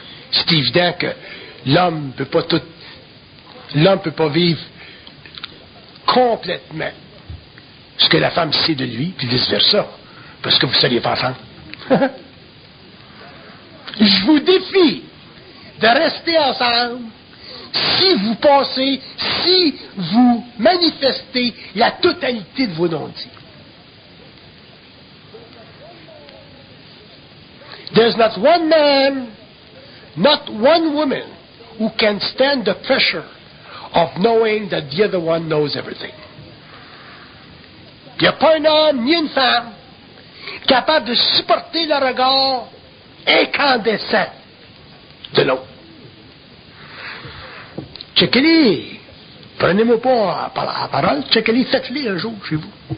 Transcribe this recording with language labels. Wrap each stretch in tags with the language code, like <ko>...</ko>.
<fr>C'est évident que l'homme ne peut pas tout... L'homme ne peut pas vivre complètement ce que la femme sait de lui puis vice-versa. Parce que vous ne seriez pas ensemble. Je vous défie de rester ensemble si vous pensez, si vous manifestez la totalité de vos non-dits.</fr> <en>There's not one man, not one woman who can stand the pressure of knowing that the other one knows everything.</en> <fr>Il n'y a pas un homme ni une femme capable de supporter le regard incandescent de l'autre. Checkez-les. Prenez-moi pas à parole. Checkez-les. Faites-les un jour chez vous.</fr>